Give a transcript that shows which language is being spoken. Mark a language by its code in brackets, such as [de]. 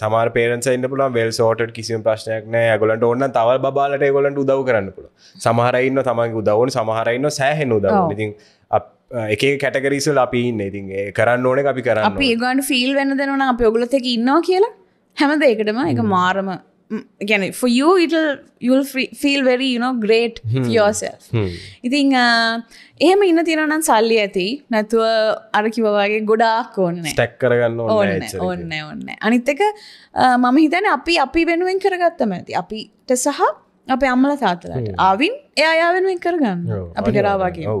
[si] සමහර පේරන්ට්ස් ඉන්න පුළුවන් [en] well sorted, [si] කිසිම ප්‍රශ්නයක් නැහැ. ඒගොල්ලන්ට ඕන නම් තවල් බබාලට ඒගොල්ලන්ට උදව් කරන්න පුළුවන්. සමහර අය ඉන්නවා තමන්ගේ උදව් ඕනේ, සමහර අය ඉන්නවා සෑහෙන උදව් ඕනේ. ඉතින් එක එක කැටගරීස් වල අපි ඉන්නේ. ඉතින් ඒ කරන්න ඕනේ අපි කරන්න ඕනේ. අපි ඒගොල්ලන්ට feel වෙන දෙනවා නම් අපි ඔයගොල්ලොත් එක්ක ඉන්නවා කියලා හැම දෙයකටම. ඒක මාරම [ar] يعني [en] for you it'll you'll feel very you know great for yourself. [si] ඉතින් එහෙම ඉන්න තියනවා නම් සල්ලි ඇති, නැතුව අර කිව්වා වගේ ගොඩාක් ඕනේ නැහැ. ස්ටැක් කරගන්න ඕනේ නැහැ. ඕනේ නැහැ, ඕනේ නැහැ. අනිත් එක මම හිතන්නේ අපි වෙනුවෙන් කරගත්තම ඇති. අපිට සහ අපේ අම්මලා තාත්තලාට. ආවින් එයා යා වෙනුවෙන් කරගන්න. අපි කරා වගේ.